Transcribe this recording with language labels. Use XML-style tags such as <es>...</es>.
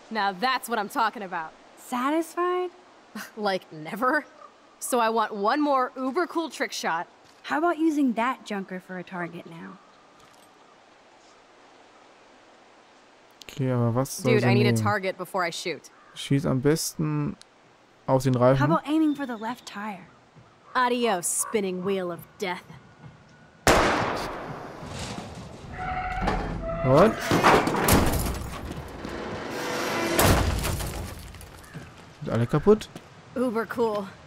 <en>Now that's what I'm talking about. Satisfied? Like never? So I want one more uber cool trick shot. How about using that junker for a target now?</en> <de>Okay, aber was soll</de> <en>Dude, I need a target before I shoot.</en> <de>Schieß am besten auf den Reifen.</de> <en>How about aiming for the left tire? Adios, spinning wheel of death. What?</en> <de>Sind alle kaputt?</de> <en>Uber cool.</en>